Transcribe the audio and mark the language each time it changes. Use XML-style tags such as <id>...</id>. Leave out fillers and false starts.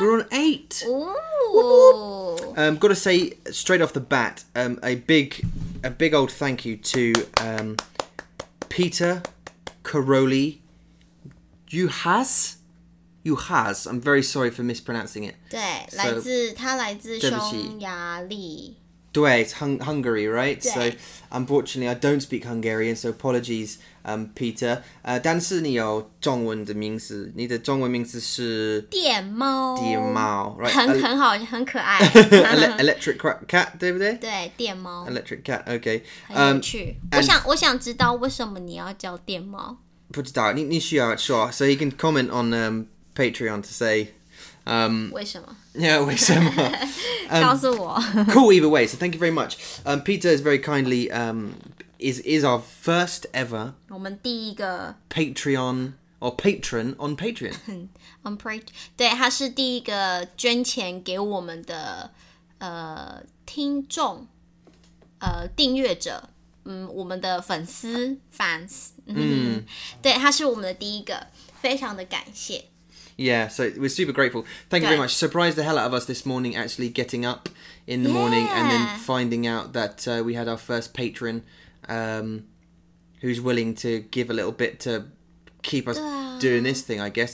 <en>We're on 8. Got to say straight off the bat, a big old thank you to Peter Caroli Juhas. I'm very sorry for mispronouncing it.</en> <zh>对，来自匈牙利。</zh> <en>对，it's Hungary, right? So, unfortunately, I don't speak Hungarian, so apologies, Peter.</en> <zh>但是你有中文的名字，你的中文名字是电猫。电猫 ，right? 很好，很可爱。</zh> <en>electric cat, 对不对？</en> <zh>对，电猫。</zh> <en>Electric cat, okay.</en> <zh>很有趣。我想知道为什么你要叫电猫。不知道，你需要说。</zh> <en>So he can comment on Patreon to say.</en> <zh>为什么？ Yeah, 为什么？告诉我。</zh> <en>Cool, either way. So thank you very much. Peter is very kindly is our first ever.</en> <zh>我们第一个</zh> <en>Patreon or patron on Patreon.</en> <zh>on Patreon, 对，他是第一个捐钱给我们的听众订阅者，我们的粉丝 fans. 对，他是我们的第一个，非常的感谢。</zh> <en>Yeah, so we're super grateful. Thank you very much. Surprised the hell out of us this morning, actually getting up in the morning and then finding out that we had our first patron who's willing to give a little bit to keep us doing this thing, I guess.</en>